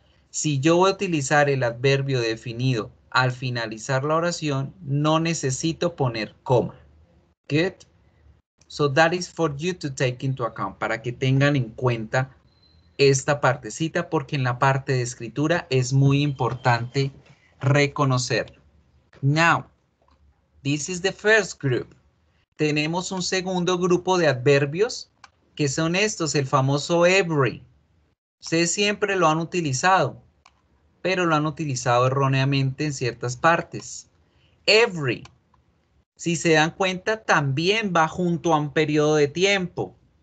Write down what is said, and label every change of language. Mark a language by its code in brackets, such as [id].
[es] Si yo voy a utilizar el adverbio definido al finalizar la oración, no necesito poner coma. [en] Good? So that is for you to take into account, [es] para que tengan en cuenta esta partecita, porque en la parte de escritura es muy importante reconocerlo. [en] Now, this is the first group. [es] Tenemos un segundo grupo de adverbios que son estos, el famoso every. Ustedes siempre lo han utilizado, pero lo han utilizado erróneamente en ciertas partes. Every, si se dan cuenta, también va junto a un periodo de tiempo.